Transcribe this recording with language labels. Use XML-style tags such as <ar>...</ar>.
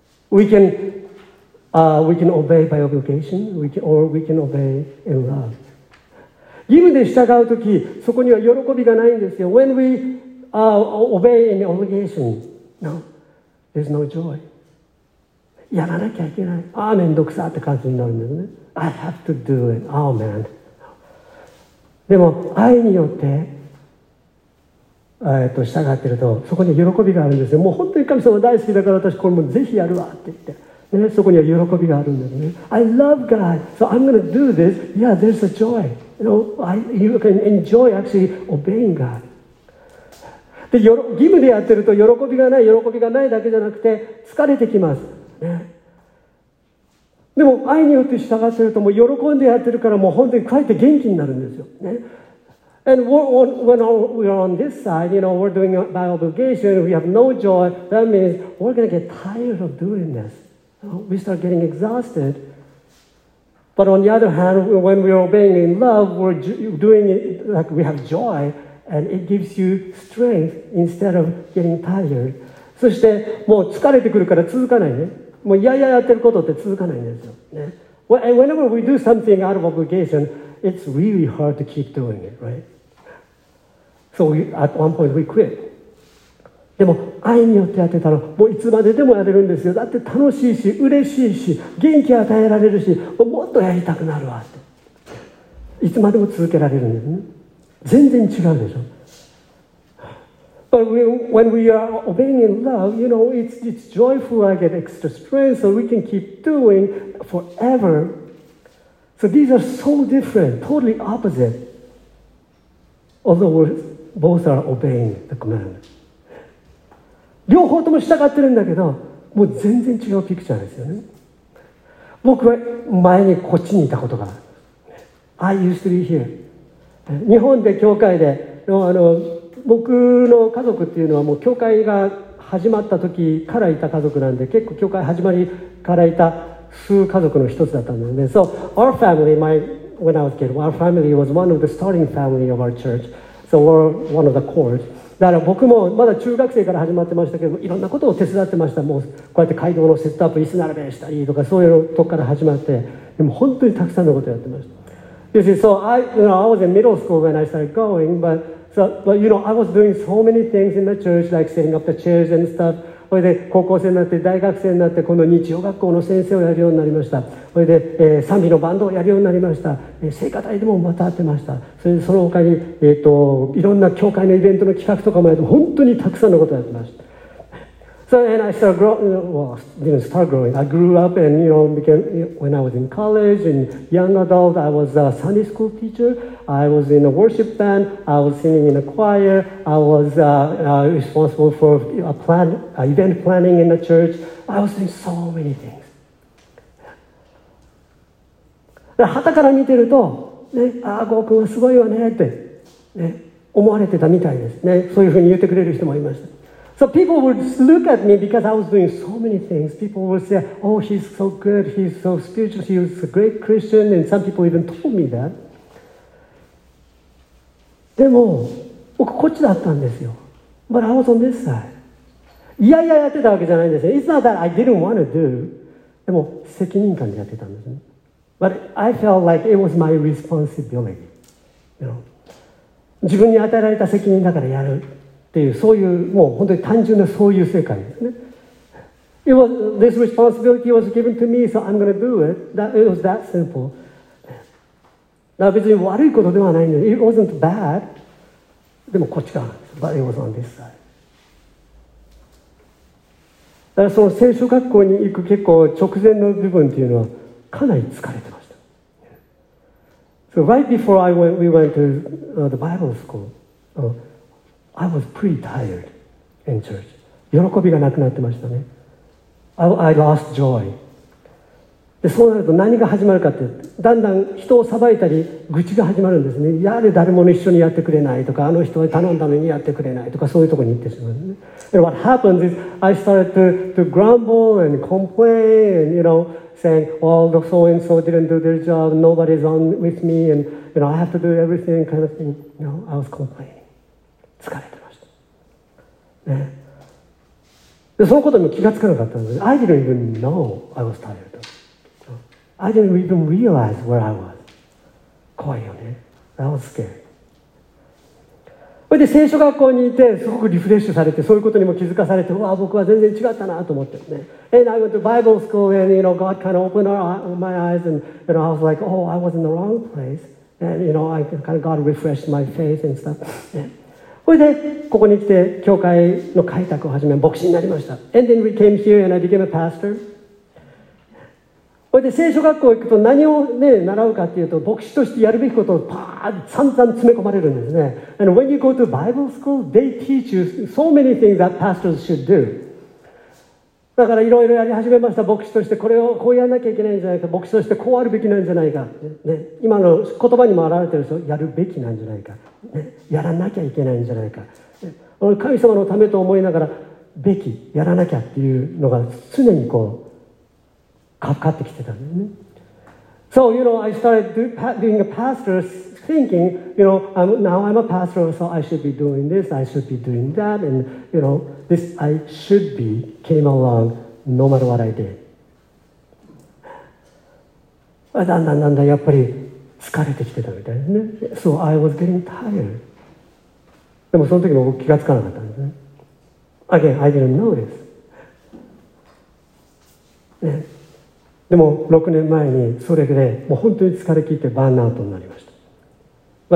<en>We can obey by obligation, or we can obey in love.</en> <ja>義務で従うとき、そこには喜びがないんですよ。</ja> <en>When we obey in obligation, no, there's no joy.</en> <ja>やらなきゃいけない。ああ、めんどくさって感じになるんですね。</ja> <en>I have to do it. Oh, man.</en> <ja>でも、愛によって、従ってると、そこには喜びがあるんですよ。もう本当に神様大好きだから、私これもぜひやるわって言って、ね。そこには喜びがあるんですね。</ja> <en>I love God, so I'm going to do this. Yeah, there's a joy. You can enjoy actually obeying God.</en> <ja>で、義務でやってると、喜びがないだけじゃなくて、疲れてきます。でも愛によって従わせるともう喜んでやってるからもう本当にかえって元気になるんですよ、ね、</ja> <en>And when we're on this side, you know, we're doing it by obligation, we have no joy, that means we're going to get tired of doing this. We start getting exhausted. But on the other hand, when we're obeying in love, we're doing it like we have joy, and it gives you strength instead of getting tired.</en> <ja>そしてもう疲れてくるから続かないね。もういやいややってることって続かないんですよ、ね、</ja> <en>well, and whenever we do something out of obligation, it's really hard to keep doing it, right? So we, at one point we quit.</en> <ja>でも愛によってやってたらもういつまででもやれるんですよ。だって楽しいし嬉しいし元気与えられるし もっとやりたくなるわって、いつまでも続けられるんですね。全然違うでしょ。</ja> <en>But when we are obeying in love, you know, it's joyful, I get extra strength, so we can keep doing forever. So these are so different, totally opposite. Although we're, both are obeying the command.</en> <ja>両方とも従ってるんだけど、もう全然違うピクチャーですよね。僕は前にこっちにいたことがある。</ja> <en>I used to be here.</en> <ja>日本で教会で、僕の家族っていうのはもう教会が始まった時からいた家族なんで、結構教会始まりからいた数家族の一つだったんですね。</ja> <en>So our family, when I was a kid, our family was one of the starting family of our church. So we're one of the cores.</en> <ja>だから僕もまだ中学生から始まってましたけど、いろんなことを手伝ってました。もうこうやって街道のセットアップ、椅子並べしたりとか、そういうとこから始まって、でも本当にたくさんのことやってました。</ja> <en>You see, so I, you know, I was in middle school when I started going, butSo, but you know, I was doing so many things in the church, like setting up the chairs and stuff.</en> <ja>それで高校生になって大学生になって今度日曜学校の先生をやるようになりました。それで、賛美のバンドをやるようになりました。聖歌隊でもまた会ってました。それでその他に、いろんな教会のイベントの企画とかもやって、本当にたくさんのことをやってました。</ja> <en>So, and I started growing, well, didn't start growing. I grew up and, you know, became, when I was in college and young adult, I was a Sunday school teacher. I was in a worship band. I was singing in a choir. I was responsible for event planning in the church. I was doing so many things.</en> <ja>で、はたから見てると、ね、ああ、ゴー君はすごいわねってね、思われてたみたいですね。そういうふうに言ってくれる人もいました。</ja> <en>So people would look at me because I was doing so many things. People would say, oh, he's so good, he's so spiritual, he's a great Christian, and some people even told me that.</en> <ja>でも、僕こっちだったんですよ。</ja> <en>But I was on this side.</en> <ja>いやいややってたわけじゃないんですよ。</ja> <en>It's not that I didn't want to do.</en> <ja>でも、責任感でやってたんですね。</ja> <en>But I felt like it was my responsibility. You know?</en> <ja>自分に与えられた責任だからやる。っていう、そういう、もう本当に単純なそういう世界ですね。</ja> <en>It was, this responsibility was given to me, so I'm going to do it. That, it was that simple.</en> <ja>だから別に悪いことではないんです。</ja> <en>It wasn't bad.</en> <ja>でもこっちか。</ja> <en>But it was on this side.</en> <ja>だからその聖書学校に行く結構直前の部分っていうのはかなり疲れてました。</ja> <en>So right before I went, we went to the Bible school. I was pretty tired in church.</en> <ja>喜びがなくなってましたね。</ja> <en>I lost joy.</en> <ja>で、そうなると何が始まるかって、だんだん人を裁いたり、愚痴が始まるんですね。やで、誰も一緒にやってくれないとか、あの人に頼んだのにやってくれないとか、そういうところに行ってしまうね。</ja> <en>And what happens is, I started to grumble and complain, and, you know, saying, well, the so-and-so didn't do their job, nobody's on with me, and, you know, I have to do everything kind of thing. You know, I was complaining.</en> <ja>疲れてました、ね、でそのことにも気がつかなかったんです。</ja> <en>I didn't even know I was tired. I didn't even realize where I was.</en> <ja>怖いよね。</ja> <en>I was scared.</en> <ja>それで聖書学校にいて、すごくリフレッシュされて、そういうことにも気づかされて、わあ、僕は全然違ったなと思ってね。</ja> <en>And I went to Bible school and, you know, God kind of opened my eyes and, you know, I was like, oh, I was in the wrong place. And, you know, I kind of God refreshed my faith and stuff.、</en> <ja>ね、それでここに来て教会の開拓を始め牧師になりました。</ja> <en>And then we came here and I became a pastor.</en> <ja>それで聖書学校行くと何を、ね、習うかっていうと、牧師としてやるべきことをパーッと散々詰め込まれるんですね。</ja> <en>And when you go to Bible school, they teach you so many things that pastors should do.</en> <ja>だからいろいろやり始めました。牧師としてこれをこうやらなきゃいけないんじゃないか、牧師としてこうあるべきなんじゃないか、ね、今の言葉にも表れてるんですよ。やるべきなんじゃないか、ね、やらなきゃいけないんじゃないか、ね、神様のためと思いながらべき、やらなきゃっていうのが常にこうかかってきてたんですね。</ja> <en>So, you know, I started being a pastor thinking, you know, now I'm a pastor, so I should be doing this, I should be doing that, and, you know, this I should be came along no matter what I did.</en> <ja>だんだんだんだんやっぱり疲れてきてたみたいですね。</ja> <en>So I was getting tired.</en> <ja>でもその時も僕気がつかなかったんですね。</ja> <en>Again, I didn't know this.、</en> <ja>ね、でも6年前にそれでもう本当に疲れ切ってバーンアウトになりました。</ja>